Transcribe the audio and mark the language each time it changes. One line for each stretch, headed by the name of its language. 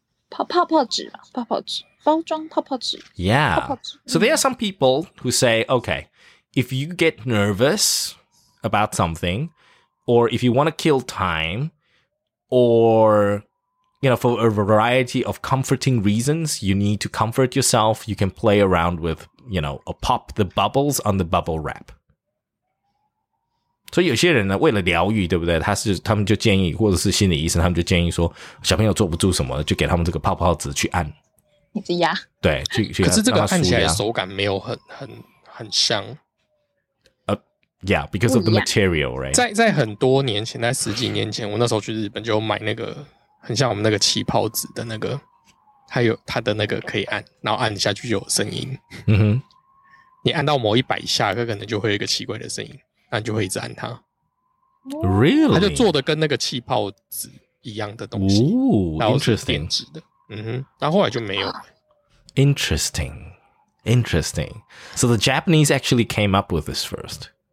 Chinese: 泡泡纸吧，泡泡纸，包装泡泡纸。
English: Yeah.
Chinese: 泡泡纸
English: So there are some people who say, okay, if you get nervous about something, or if you want to kill time. Or, you know, for a variety of comforting reasons, you need to comfort yourself. You can play around with, you know, pop the bubbles on the bubble wrap.
Chinese: 所以有些人呢，为了疗愈，对不对？他们就建议，或者是心理医生，他们就建议说，小朋友坐不住什么，就给他们这个泡泡纸去按，一直压。对，去可是这个按起来手感没有很香。
English: Yeah, because of the material, right?
Chinese: 在很多年前，在十几年前，我那时候去日本就买那个很像我们那个气泡纸的那个，还有它的那个可以按，然后按下去就有声音。嗯哼，你按到某一百下，它可能就会有一个奇怪的声音，那你就会一直按它。
English: Really?
Chinese: 它就做的跟那个气泡纸一样的东西，然后是电子的。嗯哼，然后后来就没有。
English: Interesting, interesting. So the Japanese actually came up with this first.